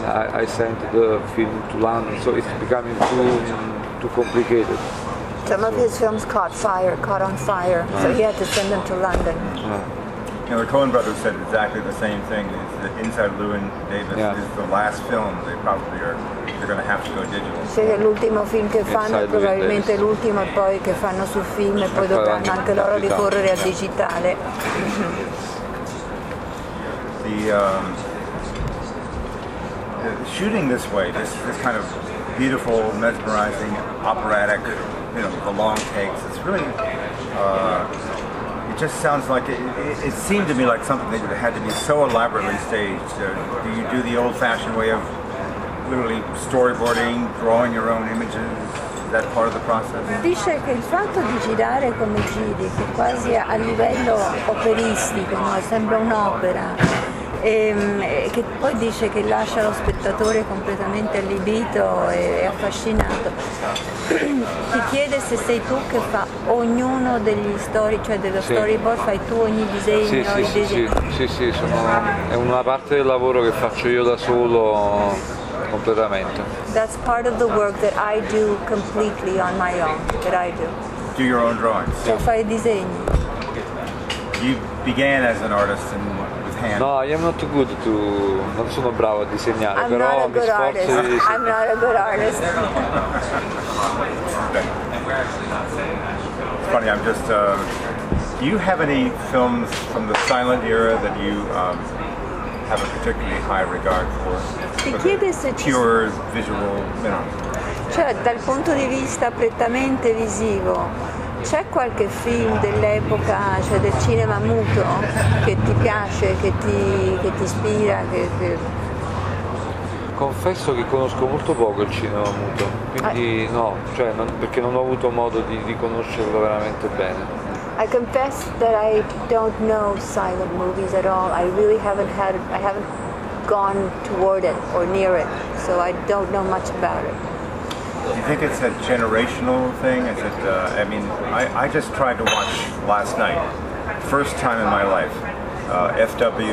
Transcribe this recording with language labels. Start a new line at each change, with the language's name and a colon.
English: I sent the film to London, so it's becoming too complicated. Some of his films caught on fire, so he had to send them to London. You know, the Coen brothers said exactly the same thing. Inside Llewyn Davis is the last film they probably are going to have to go digital.
Italian: Se è l'ultimo film che fanno, Inside probabilmente l'ultimo poi che fanno sul film e poi dovranno anche loro ricorrere al digitale.
English: The shooting this way, this kind of beautiful, mesmerizing, operatic, you know, the long takes, it's really... It just sounds like it seemed to me like something that had to be so elaborately staged. Do you do the old-fashioned way of literally storyboarding, drawing your own images? Is that part of the process?
Italian: Dice che il fatto di girare come giri, che quasi a livello operistico, no? Sembra un'opera, che poi dice che lascia lo spettatore completamente allibito e affascinato. Ti chiede se sei tu che fa ognuno degli story, cioè dello storyboard, fai tu ogni disegno? È una parte del lavoro che faccio io da solo completamente.
English: That's part of the work that I do completely on my own, that I do. Do your own drawings?
Italian: Cioè fai I disegni.
English: You began as an artist and No, I am not good to...
Italian: Non sono bravo a disegnare,
English: I'm
Italian: però
English: not a good
Italian: mi sforzo
English: artist.
Italian: Di disegnare.
English: I'm not a good artist. It's funny, I'm just... do you have any films from the silent era that you have a particularly high regard for.
Italian: Ti chiede se
English: pure visual, you know.
Italian: Cioè, dal punto di vista prettamente visivo, c'è qualche film dell'epoca, cioè del cinema muto, che ti piace, che ti ispira? Che... Confesso che conosco molto poco il cinema muto, quindi no, cioè non, perché non ho avuto modo di conoscerlo veramente bene.
English: I confess that I don't know silent movies at all. I really haven't had, I haven't gone toward it or near it, so I don't know much about it. Do you think it's a generational thing? Is it? I mean, I just tried to watch last night, first time in my life, F.W.